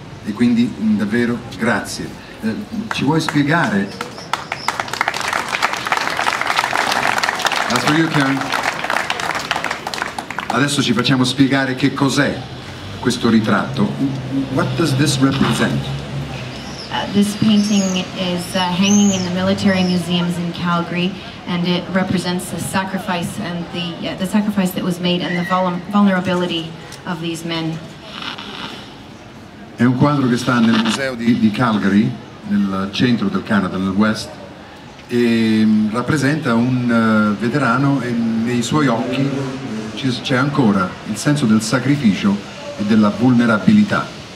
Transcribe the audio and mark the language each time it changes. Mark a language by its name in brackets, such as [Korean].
[Italian] E quindi davvero grazie. Ci vuoi spiegare? [English] That's for you, Karen. [Italian] Adesso ci facciamo spiegare che cos'è questo ritratto. [English] What does this represent? This painting is hanging in the military museums in Calgary, and it represents the sacrifice and the sacrifice that was made and the vulnerability of these men. [Italian] È un quadro che sta nel museo di Calgary, nel centro del Canada, nel West, e rappresenta un veterano e nei suoi occhi c'è ancora il senso del sacrificio e della vulnerabilità.